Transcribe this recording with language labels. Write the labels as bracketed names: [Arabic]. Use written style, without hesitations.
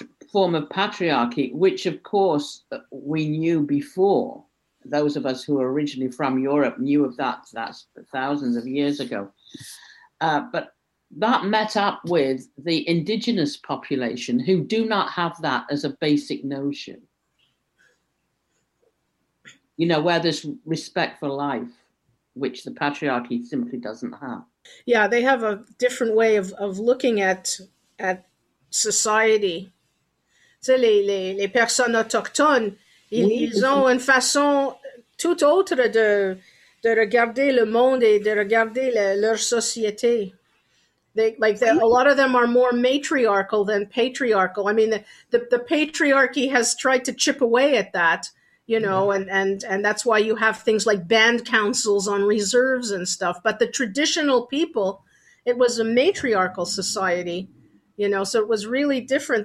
[English] form of patriarchy, which of course we knew before, those of us who are originally from Europe knew of that, that's thousands of years ago, but that met up with the indigenous population who do not have that as a basic notion. You know, where there's respect for life, which the patriarchy simply doesn't have. Yeah, they have a different way of looking at society. [French] Tu sais, les personnes autochtones, ils ont une façon tout autre de regarder le monde et de regarder leur société. [English] A lot of them are more matriarchal than patriarchal. I mean, the patriarchy has tried to chip away at that. You know, and that's why you have things like band councils on reserves and stuff. But the traditional people, it was a matriarchal society, you know, so it was really different.